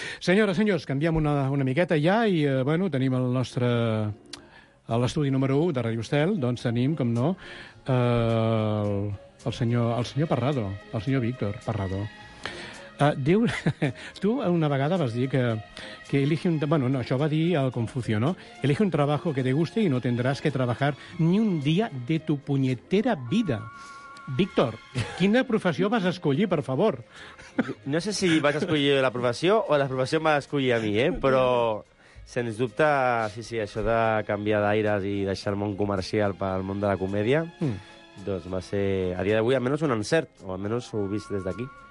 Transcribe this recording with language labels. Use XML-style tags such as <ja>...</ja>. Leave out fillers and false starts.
<ca>Senyores, senyors, canviem una miqueta ja i, bueno, tenim el nostre... a l'estudi número 1 de Ràdio Estel, doncs tenim, com no, el senyor Parrado, el senyor Víctor Parrado. Diu... tu una vegada vas dir que elige un... Bueno, no, això va dir el Confucio, no?</ca> <es>Elige un trabajo que te guste y no tendrás que trabajar ni un día de tu puñetera vida.</es> <ca>Víctor, quina professió vas escollir, per favor? No sé si vas escollir la professió o la professió m'ha escollit a mi, però, sens dubte, sí, sí, això de canviar d'aires i deixar el món comercial pel món de la comèdia, doncs va ser, a dia d'avui, almenys un encert, o almenys ho he vist des d'aquí.</ca>